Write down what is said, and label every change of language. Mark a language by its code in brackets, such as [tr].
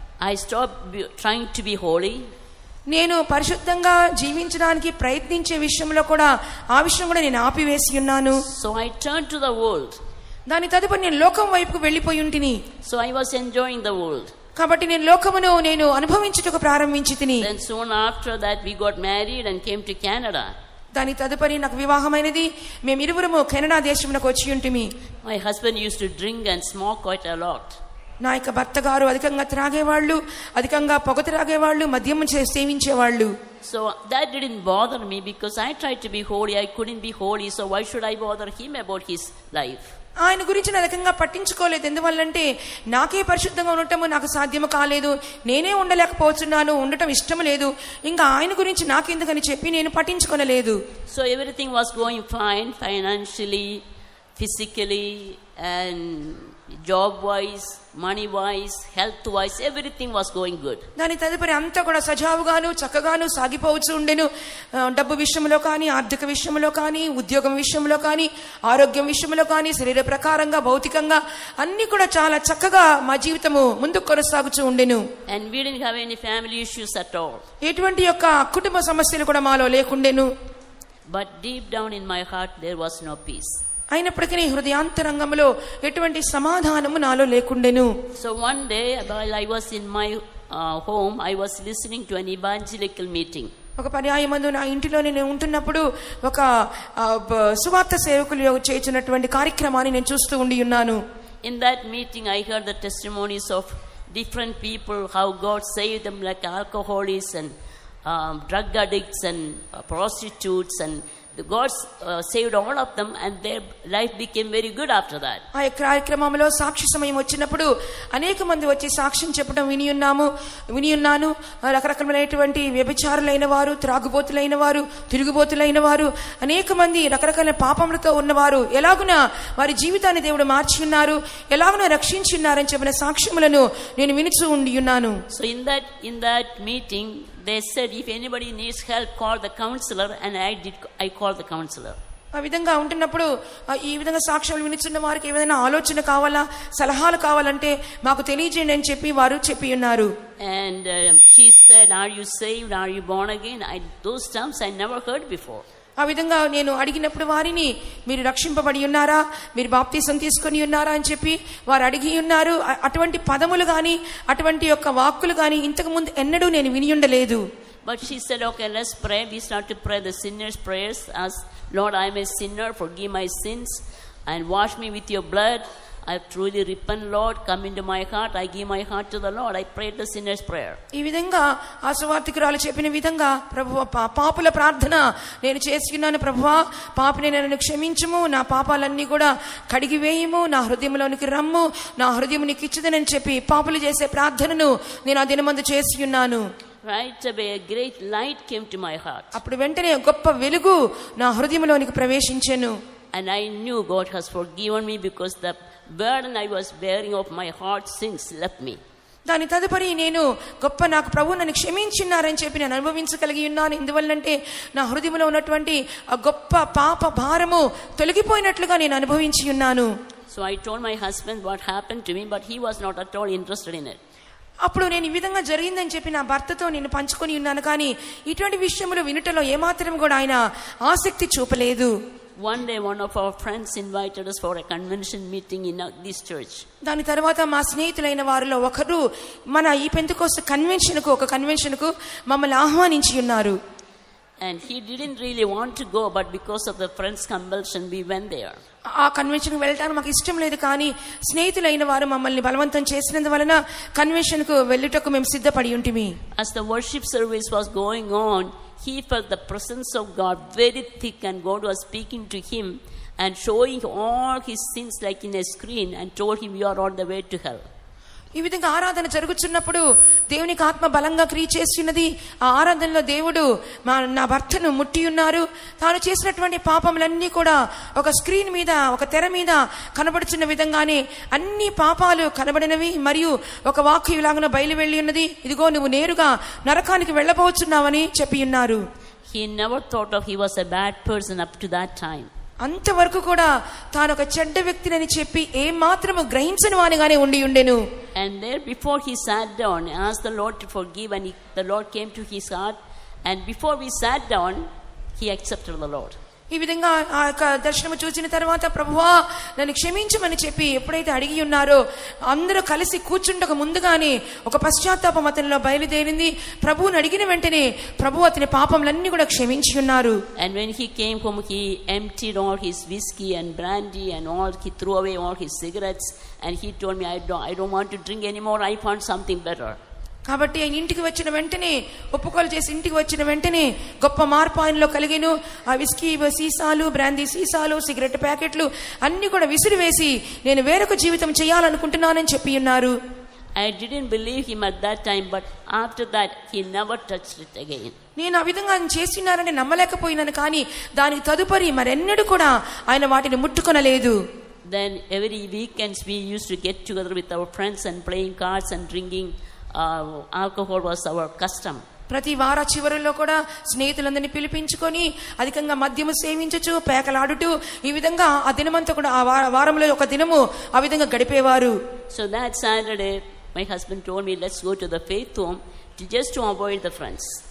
[en] I stop trying to be holy. [te] నేను పరిశుద్ధంగా జీవించడానికి ప్రయత్నించే విషయంలో కూడా ఆ విషయం కూడా నేను ఆపివేసి ఉన్నాను. [en] So I turn to the world. [te] దాని తదుపరి నేను లోకం వైపుకు వెళ్లిపోయి ఉంటిని. [en] So I was enjoying the world. [te] కాబట్టి నేను లోకమును నేను అనుభవించుటకు ప్రారంభించితిని. [en] Then soon after that we got married and came to Canada. [te] దాని తదుపరి నాకు వివాహమైనది మేము ఇరువురము కెనడా దేశమునకు వచ్చి ఉంటిమి. [en] My husband used to drink and smoke quite a lot. [te] నా యొక్క భర్త గారు అధికంగా త్రాగేవాళ్ళు అధికంగా పొగ త్రాగేవాళ్ళు మద్యం సేవించేవాళ్ళు. [en] So that didn't bother me because I tried to be holy. I couldn't be holy, so why should I bother him about his life? [te] ఆయన గురించి నా రకంగా పట్టించుకోలేదు. ఎందువల్లంటే నాకే పరిశుద్ధంగా ఉండటం నాకు సాధ్యము కాలేదు, నేనే ఉండలేకపోతున్నాను, ఉండటం ఇష్టం లేదు, ఇంకా ఆయన గురించి నాకెందుకని చెప్పి నేను పట్టించుకోలేదు. [en] So everything was going fine financially physically and job wise, money wise, health wise, everything was going good. [te] దాని తదుపరి అంతా కూడా సజావుగాను చక్కగాను సాగిపోవచ్చు ఉండెను. డబ్బు విషయంలో కానీ, ఆర్థిక విషయంలో కానీ, ఉద్యోగం విషయంలో కానీ, ఆరోగ్యం విషయంలో కానీ, శరీర ప్రకారంగా భౌతికంగా అన్ని కూడా చాలా చక్కగా మా జీవితము ముందుకు కొనసాగుచు ఉండెను. [en] And we didn't have any family issues at all. [te] ఎటువంటి యొక్క కుటుంబ సమస్యలు కూడా మాలో లేకుండెను. [en] But deep down in my heart there was no peace. [te] అయినప్పటికీ హృదయాంతరంగంలో ఎటువంటి సమాధానము నాలో లేకుండెను. [en] So one day while I was in my home I was listening to an evangelical meeting. [te] ఒక పర్యాయమందు నా ఇంటిలో నేను ఉంటున్నప్పుడు ఒక సువార్త సేవకులు చేస్తున్నటువంటి కార్యక్రమాన్ని నేను చూస్తూ ఉండి ఉన్నాను. [en] In that meeting I heard the testimonies of different people how God saved them like alcoholics and drug addicts and prostitutes and God saved all of them and their life became very good after that. [te] ఆ కార్యక్రమంలో సాక్షి సమయం వచ్చినప్పుడు అనేక మంది వచ్చి సాక్ష్యం చెప్పడం విని ఉన్నాను. రకరకాలైనటువంటి వ్యభిచారులైన వారు, త్రాగుబోతులైన వారు, తిరుగుబోతులైన వారు, అనేక మంది రకరకాల పాపములతో ఉన్నవారు ఎలాగునా వారి జీవితాన్ని దేవుడు మార్చి ఉన్నారు, ఎలాగునా రక్షించి ఉన్నారని చెప్పిన సాక్ష్యములను నేను వినిచూ ఉండి ఉన్నాను. [en] So in that meeting they said if anybody needs help call the counselor and I called the counselor. [te] ఆ విధంగా ఉంటున్నప్పుడు ఈ విధంగా సాక్ష్యాలు వినిచున్న వారికి ఏదైనా ఆలోచన కావాలా, సలహాలు కావాలంటే మాకు తెలియజేయండి అని చెప్పి వారు చెప్పి ఉన్నారు. [en] And she said are you saved, are you born again, those terms I never heard before. [te] ఆ విధంగా నేను అడిగినప్పుడు వారిని మీరు రక్షింపబడి ఉన్నారా, మీరు బాప్తీసం తీసుకుని ఉన్నారా అని చెప్పి వారు అడిగి ఉన్నారు. అటువంటి పదములు గాని అటువంటి యొక్క వాక్కులు గాని ఇంతకు ముందు ఎన్నడూ నేను విని ఉండలేదు. [en] But she said okay, let's pray. We start to pray the sinner's prayers as Lord, I am a sinner, forgive my sins and wash me with your blood. I truly repent, Lord. Come into my heart. I give my heart to the Lord. I prayed the sinner's prayer. [te] ఈ విధంగా ఆశీర్వాదకరాలు చెప్పిన విధంగా ప్రభువా పాపుల ప్రార్థన నేను చేసుకున్నాను. ప్రభువా పాపని నన్ను క్షమించుము, నా పాపాలన్నీ కూడా కడిగివేయము, నా హృదయంలోనికి రమ్ము, నా హృదయం నీకు ఇచ్చుదనని చెప్పి పాపులు చేసే ప్రార్థనను నేను ఆ దినమందు చేసుకున్నాను. [en] Right away a great light came to my heart. [te] అప్పుడు వెంటనే గొప్ప వెలుగు నా హృదయంలోనికి ప్రవేశించెను. [en] And I knew God has forgiven me because the burden I was bearing of my heart sins left me. [te] దాని తదుపరి నేను గొప్ప నాకు ప్రభు నన్ను క్షమించినారని చెప్పి నేను అనుభవించగలిగి ఉన్నాను. ఎందువల్లంటే నా హృదయంలో ఉన్నటువంటి ఆ గొప్ప పాప భారము తొలగిపోయినట్లుగా నేను అనుభవించి ఉన్నాను. [en] So I told my husband what happened to me, but he was not at all interested in it. [te] అప్పుడు నేను ఈ విధంగా జరిగిందని చెప్పి నా భర్తతో నేను పంచుకొని ఉన్నాను, కానీ ఇటువంటి విషయములు వినటంలో ఏమాత్రం కూడా ఆయన ఆసక్తి చూపలేదు. [en] One day one of our friends invited us for a convention meeting in this church. [te] దాని తర్వాత మా స్నేహితులైన వారిలో ఒకరు మన ఈ పెంతకోస్త కన్వెన్షన్ కు మమ్మల్ని ఆహ్వానించి ఉన్నారు. [en] And he didn't really want to go, but because of the friend's compulsion we went there. [te] ఆ కన్వెన్షన్ కు వెళ్ళటం మాకు ఇష్టం లేదు, కానీ స్నేహితులైన వారు మమ్మల్ని బలవంతం చేసినందువలన కన్వెన్షన్ కు వెళ్ళటకు మేము సిద్ధపడి ఉంటిమి. [en] As the worship service was going on, he felt the presence of God very thick and God was speaking to him and showing all his sins like in a screen and told him you are on the way to hell. [te] ఈ విధంగా ఆరాధన జరుగుతున్నప్పుడు దేవునికి ఆత్మ బలంగా క్రియ చేస్తున్నది. ఆ ఆరాధనలో దేవుడు నా భర్తను ముట్టి ఉన్నారు. తాను చేసినటువంటి పాపములన్నీ కూడా ఒక స్క్రీన్ మీద, ఒక తెర మీద కనబడుచున్న విధంగానే అన్ని పాపాలు కనబడినవి. మరియు ఒక వాక్కు ఇలాగన బయలువెళ్ళి ఉన్నది, ఇదిగో నువ్వు నేరుగా నరకానికి వెళ్ళబోతున్నావని చెప్పి ఉన్నారు. [en] He never thought of he was a bad person up to that time. [te] అంతవరకు కూడా తాను ఒక చెడ్డ వ్యక్తినని చెప్పి ఏ మాత్రము గ్రహించని వానిగానే ఉండి ఉండెను. [en] And there before he sat down he asked the Lord to forgive and the Lord came to his heart and before we sat down he accepted the Lord. [te] ఈ విధంగా ఆ యొక్క దర్శనము చూసిన తర్వాత ప్రభువా నన్ను క్షమించమని చెప్పి ఎప్పుడైతే అడిగి ఉన్నారో అందరూ కలిసి కూర్చుండక ముందుగానే ఒక పశ్చాత్తాపం అతనిలో బయలుదేరింది. ప్రభువుని అడిగిన వెంటనే ప్రభు అతని పాపములన్నీ కూడా క్షమించి ఉన్నారు. [en] And when he came home he emptied all his whiskey and brandy and all, he threw away all his cigarettes and he told me I don't want to drink anymore, I found something better. [te] కాబట్టి ఆయన ఇంటికి వచ్చిన వెంటనే ఒప్పుకోలు చేసి ఇంటికి వచ్చిన వెంటనే గొప్ప మార్పు ఆయనలో కలిగిను. ఆ విస్కీ సీసాలు, బ్రాందీ సీసాలు, సిగరెట్ ప్యాకెట్లు అన్ని కూడా విసిరివేసి నేను వేరొక జీవితం చేయాలనుకుంటున్నానని చెప్పి ఉన్నారు. [en] I didn't believe him at that time, but after that he never touched it again. [te] నేను ఆ విధంగా చేస్తున్నారని నమ్మలేకపోయినాను, కానీ దానికి తదుపరి మరెన్నడూ కూడా ఆయన వాటిని ముట్టుకొనలేదు. [en] Then every weekends we used to get together with our friends and playing cards and drinking alcohol was our custom. [te] ప్రతి వార చివరిలో కూడా స్నేహితులందరినీ పిలిపించుకొని అధికంగా మద్యము సేవించచ్చు పేకలాడుటూ ఈ విధంగా ఆ దినమంతా కూడా ఆ వారంలో ఒక దినము ఆ విధంగా గడిపేవారు. [en] So that Saturday my husband told me let's go to the faith home to just to avoid the friends.